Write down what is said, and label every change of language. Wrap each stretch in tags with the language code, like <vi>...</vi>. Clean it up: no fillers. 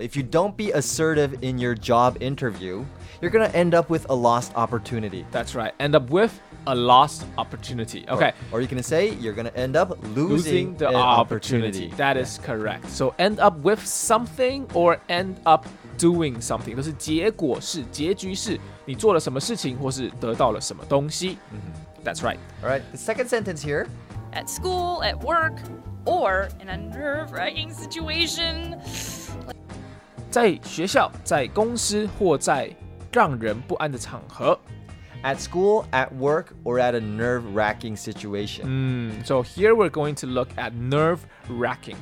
<en>If you don't be assertive in your job interview, you're gonna end up with a lost opportunity. That's right. End up with a lost opportunity. Okay. Or you can say you're gonna end up losing the opportunity. That is correct. So end up with something or end up doing something.</en> <zh>都是结果是结局是你做了什么事情或是得到了什么东西。</zh> <en>That's right. All right. The second sentence here. At school, at work, or in a nerve-wracking situation.</en> <zh>在学校，在公司，或在让人不安的场合。</zh> <en>At school, at work, or at a nerve-wracking situation. So here we're going to look at nerve-wracking.</en>